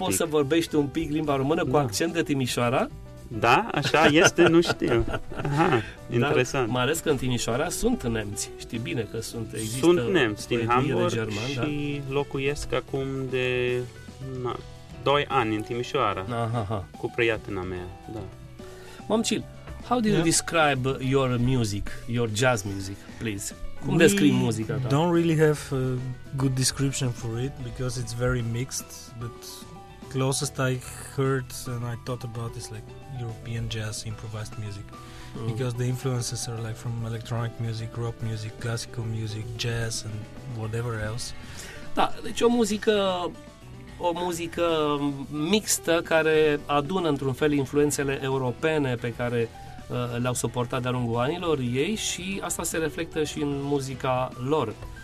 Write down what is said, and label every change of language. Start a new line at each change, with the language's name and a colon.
Romanian: Poți să vorbești un pic limba română cu accent de Timișoara? Da, așa este, nu știu. Aha, interesant. Dar, mai ales că în Timișoara sunt nemți. Știi bine că sunt. Există, sunt nemți din Hamburg german, și locuiesc acum de 2 ani în Timișoara. Aha. Cu prietena mea. Da.
English: Momchil, how do you describe your music, your jazz music, please?
Romanian: Cum descrii muzica ta?
English: Don't really have a good description for it because it's very mixed, but closest I heard and I thought about is like European jazz improvised music, because the influences are like from electronic music, rock music, classical music, jazz and whatever else.
Romanian: Da, deci o muzică mixtă care adună într-un fel influențele europene pe care le-au suportat de-a lungul anilor ei și asta se reflectă și în muzica lor.